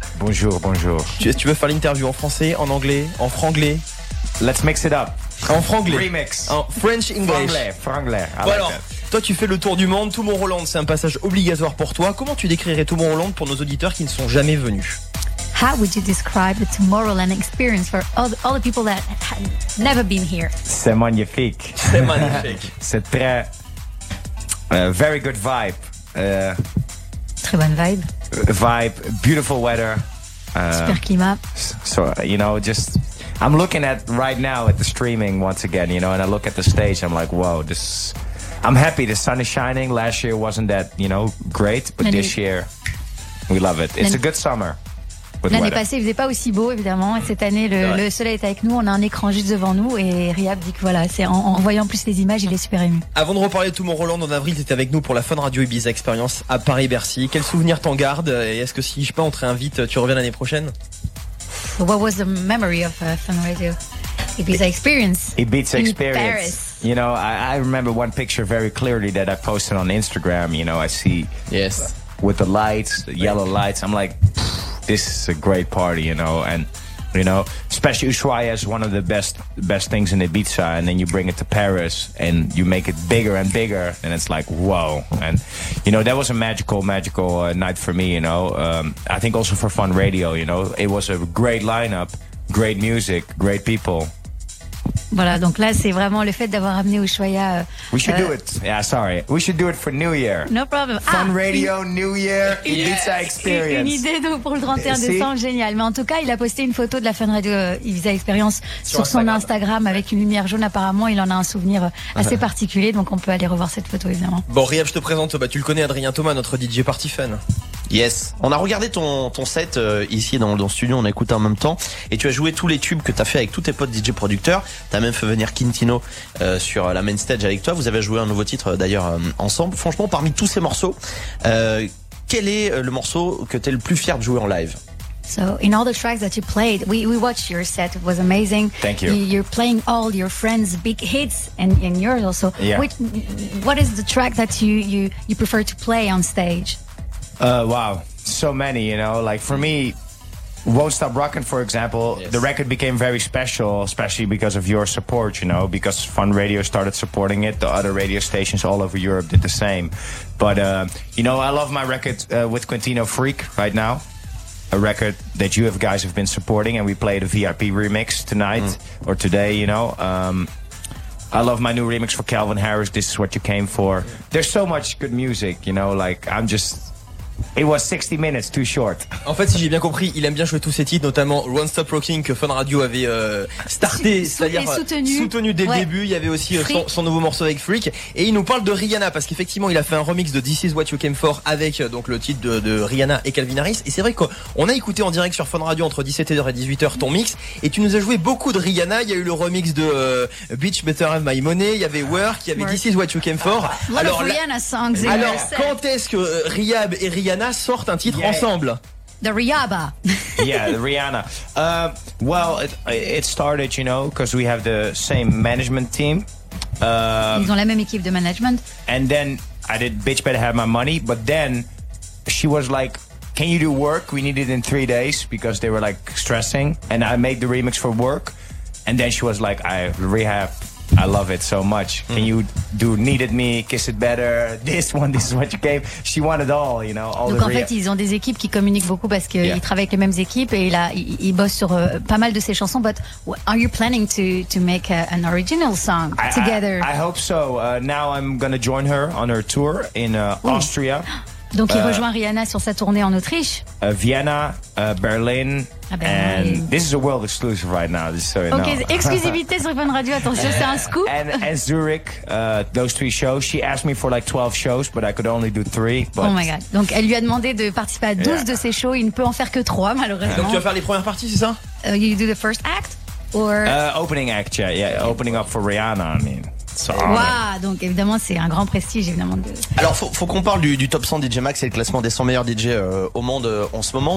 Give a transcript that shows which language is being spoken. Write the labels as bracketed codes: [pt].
[fr] Bonjour, bonjour. Tu veux faire l'interview en français, en anglais, en franglais? [en] Let's mix it up. [fr] En franglais. Remix. En French English. Franglais, franglais. Voilà. Like toi, tu fais le tour du monde. Tomorrowland, c'est un passage obligatoire pour toi. Comment tu décrirais Tomorrowland pour nos auditeurs qui ne sont jamais venus? [en] How would you describe the Tomorrowland experience for all the people that have never been here? [fr] C'est magnifique. C'est magnifique. C'est très. [en] Very good vibe. [fr] Très bonne vibe. [en] Vibe, beautiful weather. [fr] Super climat. [en] So, you know, just. I'm looking at right now at the streaming once again, you know, and I look at the stage, I'm like, whoa, this. I'm happy the sun is shining. Last year wasn't that, you know, great, but this year, we love it. It's a good summer. [fr] L'année passée, il faisait pas aussi beau, évidemment. Et cette année, le soleil est avec nous. On a un écran juste devant nous. Et Riyab dit que voilà, c'est en voyant plus les images, il est super ému. Avant de reparler de Tomorrowland, en avril, tu étais avec nous pour la Fun Radio Ibiza Experience à Paris-Bercy. Quel souvenir t'en gardes? Et est-ce que si je sais pas, on te réinvite, tu reviens l'année prochaine? [en] What was the memory of Fun Radio Ibiza Experience? Ibiza Experience. In Paris. You know, I remember one picture very clearly that I posted on Instagram. You know, I see. Yes. With the lights, the yellow lights. I'm like. This is a great party, you know, and you know, especially Ushuaia is one of the best things in Ibiza, and then you bring it to Paris and you make it bigger and bigger, and it's like, whoa. And you know, that was a magical night for me, you know. I think also for Fun Radio, you know, it was a great lineup, great music, great people. [fr] Voilà, donc là, c'est vraiment le fait d'avoir amené Ushuaia. [en] We should do it. Yeah, sorry. We should do it for New Year. No problem. Fun Radio, New Year, Ibiza Experience. [fr] Une idée donc pour le 31 décembre, génial. Mais en tout cas, il a posté une photo de la Fun Radio Ibiza Experience sur son Instagram avec une lumière jaune. Apparemment, il en a un souvenir assez particulier. Donc, on peut aller revoir cette photo, évidemment. Bon, Riyab, je te présente. Bah, tu le connais, Adrien Thomas, notre DJ Party Fun. Yes, on a regardé ton set ici dans le studio, on a écouté en même temps et tu as joué tous les tubes que t'as fait avec tous tes potes DJ producteurs. T'as même fait venir Quintino sur la main stage avec toi. Vous avez joué un nouveau titre d'ailleurs ensemble. Franchement, parmi tous ces morceaux, quel est le morceau que t'es le plus fier de jouer en live? [en] So in all the tracks that you played, we watched your set. It was amazing. Thank you. You're playing all your friends' big hits and yours also. Yeah. What is the track that you prefer to play on stage? Wow, so many, you know, like for me, Won't Stop Rockin', for example, yes. The record became very special, especially because of your support, you know, because Fun Radio started supporting it, the other radio stations all over Europe did the same, but, you know, I love my record with Quintino Freak right now, a record that you guys have been supporting, and we played a VIP remix tonight, or today, you know, I love my new remix for Calvin Harris, This Is What You Came For, yeah. There's so much good music, you know, like, I'm just... It was 60 minutes too short. [fr] En fait, si j'ai bien compris, il aime bien jouer tous ses titres, notamment One Stop Rocking que Fun Radio avait starté, soutenu dès le début. Il y avait aussi son nouveau morceau avec Freak. Et il nous parle de Rihanna parce qu'effectivement, il a fait un remix de This Is What You Came For avec donc le titre de Rihanna et Calvin Harris. Et c'est vrai qu'on a écouté en direct sur Fun Radio entre 17h et 18h ton mix. Et tu nous as joué beaucoup de Rihanna. Il y a eu le remix de Bitch Better Have My Money. Il y avait Work. Il y avait This Is What You Came For. Alors, Rihanna songs. Alors, quand est-ce que Riyab et Rihanna sortent un titre ensemble? [en] The Rihanna. Yeah, the Rihanna. Well, it started, you know, because we have the same management team. [fr] Ils ont la même équipe de management. [en] And then I did Bitch Better Have My Money, but then she was like, can you do Work? We need it in 3 days because they were like stressing. And I made the remix for Work. And then she was like, I love it so much. Can you do Needed Me, Kiss It Better, This One, This Is What You Came. She wanted all, you know, all. [fr] Donc en fait, ils ont des équipes qui communiquent beaucoup parce qu'ils travaillent avec les mêmes équipes et ils bossent sur pas mal de ces chansons. [en] But are you planning to make an original song together? I hope so. Now I'm going to join her on her tour in Austria. [fr] Donc il rejoint Rihanna sur sa tournée en Autriche. [en] Vienna, Berlin. And this is a world exclusive right now. So, okay, no. [fr] Exclusivité sur Fun Radio. Attention, c'est un scoop. [en] And Zurich, those three shows. She asked me for like 12 shows, but I could only do 3. But... Oh my God. [fr] Donc elle lui a demandé de participer à 12 de ces shows. Il ne peut en faire que 3, malheureusement. Donc tu vas faire les premières parties, c'est ça? [en] You do the first act? or opening act, yeah, yeah, opening up for Rihanna, I mean. [fr] Wow, donc évidemment c'est un grand prestige évidemment. Alors faut qu'on parle du top 100 DJ Max et le classement des 100 meilleurs DJ au monde en ce moment.